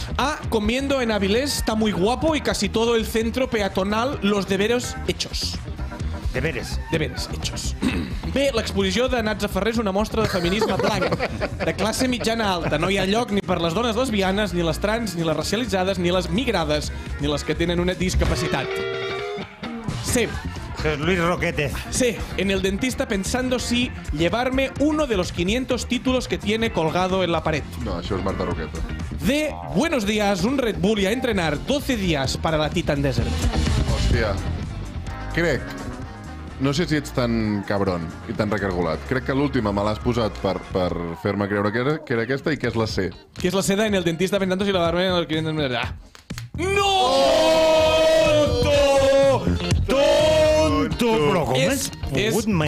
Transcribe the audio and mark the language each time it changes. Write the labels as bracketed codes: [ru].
[es] A, comiendo en Avilés, está muy guapo y casi todo el centro peatonal, los deberes hechos. Deberes. Deberes hechos. [ca] B, l'exposició de Natza Ferrer és una mostra de feminisme blanc, de classe mitjana alta. No hi ha lloc ni per les dones lesbianes, ni les trans, ni les racialitzades, ni les migrades, ni les que tenen una discapacitat. C. Luis Roquete. [es] Sí, en el dentista pensando si llevarme uno de los 500 títulos que tiene colgado en la pared. [ca] No, això és Marta Roqueta. [es] De buenos días, un Red Bull y a entrenar 12 días para la Titan Desert. [ca] Hòstia, crec... No sé si ets tan cabron i tan recargolat. Crec que l'última me l'has posat per fer-me creure que era aquesta i que és la C. Que és la C de [es] en el dentista pensando si llevarme en el 500 títulos. Ah. No! Oh! Tonto! Tonto! Tonto! Tonto! Tonto! Tonto! ¿Cómo has podido menjar-te?